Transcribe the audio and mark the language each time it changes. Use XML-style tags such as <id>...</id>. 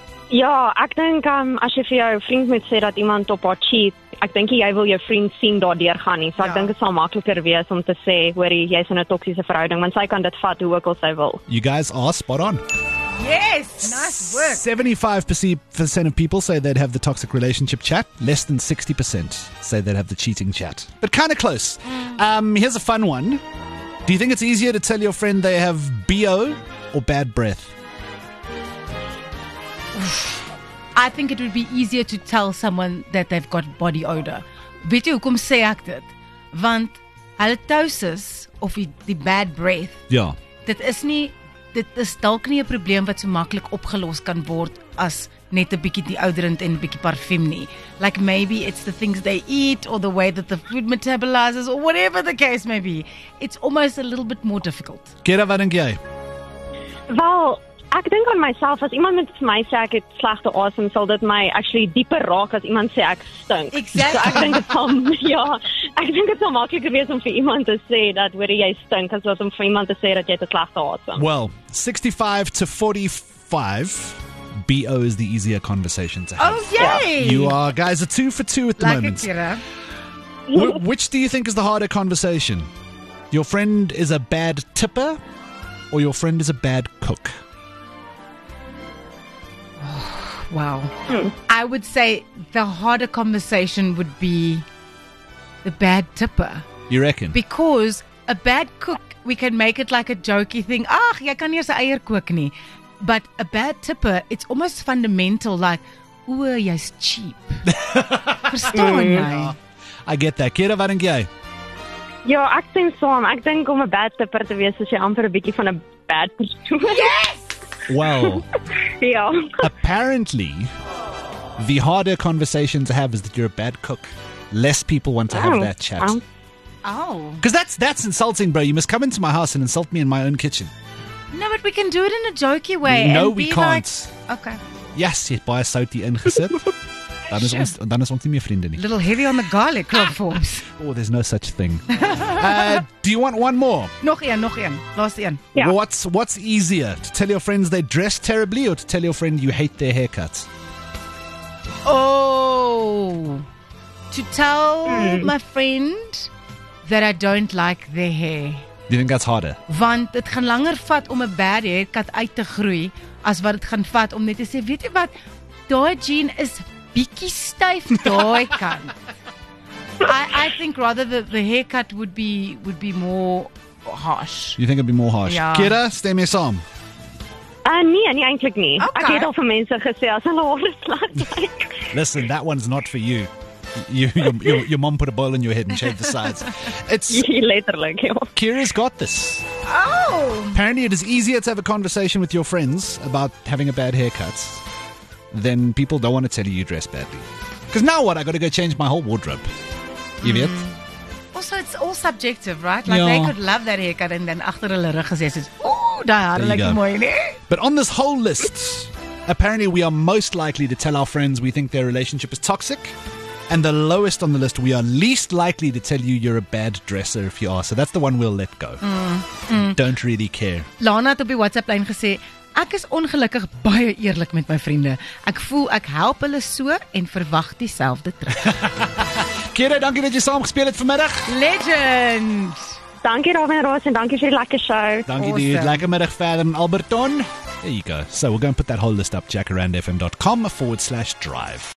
<af>Ja, ek dink as jy vir jou vriend moet sê dat iemand op haar cheat, ek dink jy wil jou vriend sien daardeur gaan nie. So ek dink dit sal makliker wees om te sê, hoorie, jy's in 'n toksiese verhouding, want sy kan dit vat hoe ook al sy wil.</af> <en>You guys are spot on. Yes, nice work. 75% of people say they'd have the toxic relationship chat. Less than 60% say they'd have the cheating chat. But kind of close. Here's a fun one. Do you think it's easier to tell your friend they have BO or bad breath? I think it would be easier to tell someone that they've got body odor.</en> <af>Weet jy hoekom sê ek dit? Want halitosis of die</af> <en>bad breath.</en> <af>Ja. Dit is dalk nie 'n probleem wat so maklik opgelos kan word as net 'n bietjie deodorant en 'n bietjie parfum nie.</af> <en>Like maybe it's the things they eat or the way that the food metabolizes or whatever the case may be. It's almost a little bit more difficult.</en> <af>Kira, wat dink jy? Wel, ek dink aan myself, as iemand met my sê ek het slegte asem, sal dit my actually dieper raak as iemand sê ek stink.</af> <en>Exactly.</en> <af>So ek dink dit sal, ja, ek dink dit sal makliker wees om vir iemand te sê dat hoor jy stink, as wat om vir iemand te sê dat jy het slegte asem.</af> <en>Well, 65 to 45, BO is the easier conversation to have. Oh, yay! You are, guys, a 2 for 2 at the like moment. Like which do you think is the harder conversation? Your friend is a bad tipper or your friend is a bad cook? Wow. I would say the harder conversation would be the bad tipper. You reckon? Because a bad cook, we can make it like a jokey thing.</en> <af>Ach, jy kan nie se eier kook nie.</af> <en>But a bad tipper, it's almost fundamental, like, ooh,</en> <af>jy's cheap. Verstaan jy?</af> <en>I get that.</en> <af>Kira, wat dink jy? Ja, ek stem saam. Ek dink om 'n</af> <en>bad tipper</en> <af>te wees, is jy amper 'n bietjie van 'n bad persoon.</af> <en>Yes! Well, yeah. Apparently, the harder conversation to have is that you're a bad cook. Less people want to have that chat. Oh. Because that's insulting, bro. You must come into my house and insult me in my own kitchen. No, but we can do it in a jokey way. No, we can't. Like, okay.</en> <af>Yes, jy het baie soutie ingesit. Dan is ons, dan is ons nie meer vriende nie.</af> <en>Little heavy on the garlic, Rob Forbes. Oh, there's no such thing. Do you want one more?</en> <af>Nog een. Laaste een.</af> <en>Yeah. What's easier? To tell your friends they dress terribly or to tell your friend you hate their haircuts? Oh. To tell my friend that I don't like their hair. Do you think that's harder?</en> <af>Want het gaan langer vat om 'n</af> <en>bad haircut</en> <af>uit te groei as wat het gaan vat om net te sê, weet jy wat, daai jean is bietjie styf daai kant.</af> <en>I think rather the haircut would be more harsh. You think it'd be more harsh? Yeah.</en> <af>Kira, stem mee saam? Nee, eintlik nie.</af> <en>Okay.</en> <af>Ek het al vir mense gesê as hulle hare slag.</af> <en>Listen, that one's not for you. Your mom put a bowl in your head and shaved the sides. It's literally. Kira's got this. Oh. Apparently, it is easier to have a conversation with your friends about having a bad haircut than people don't want to tell you dress badly. Because now what? I got to go change my whole wardrobe. You get? Also, it's all subjective, right? Like they could love that haircut and then</en> <af>achter hulle rug gesê het, "Ooh, daai haar lyk mooi nie."</af> <en>But on this whole list, apparently we are most likely to tell our friends we think their relationship is toxic. And the lowest on the list, we are least likely to tell you you're a bad dresser if you are. So that's the one we'll let go. Don't really care.</en> <af>Lana het op die WhatsApp lyn gesê, ek is ongelukkig baie eerlik met my vriende. Ek voel ek help hulle so en verwag dieselfde terug. Kira, dankie dat jy saam gespeel het vanmiddag.</af> <en>Legend!</en> <af>Dankie Robin Ross en dankie vir die lekker show. Dankie awesome.</af> <en>Dude,</en> <af>lekker middag verder in Alberton.</af> <en>There you go. So we're going to put that whole list up, jackarandfm.com/drive.</en>